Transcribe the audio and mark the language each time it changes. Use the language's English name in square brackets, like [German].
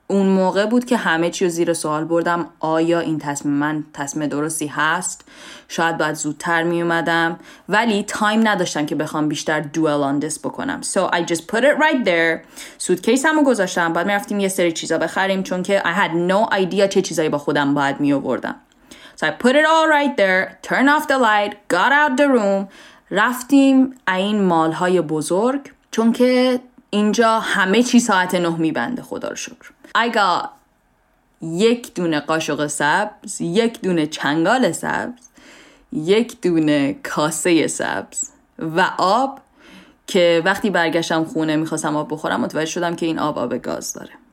[Persian] اون موقع بود که همه چیو زیر سوال بردم. آیا این تصمیم من تصمیم درستی هست؟ شاید باید زودتر میومدم، ولی تایم نداشتم که بخوام بیشتر دوئل آن دیس بکنم. [English] So I just put it right there. [Persian] سوتکیسمو گذاشتم، بعد میرفتیم یه سری چیزا بخریم، چون که [English] I had no idea [Persian] چه چیزایی با خودم باید میآوردم. [English] So I put it all right there, turn off the light, got out the room. [Persian] رفتیم این مال‌های بزرگ، چون که اینجا همه چی ساعت 9 میبنده خدا رو شکر. [English] I got [Persian] یک دونه قاشق سبز، یک دونه چنگال سبز، یک دونه کاسه سبز و آب، که وقتی برگشتم خونه میخواستم آب بخورم متوجه شدم که این آب آب گاز داره.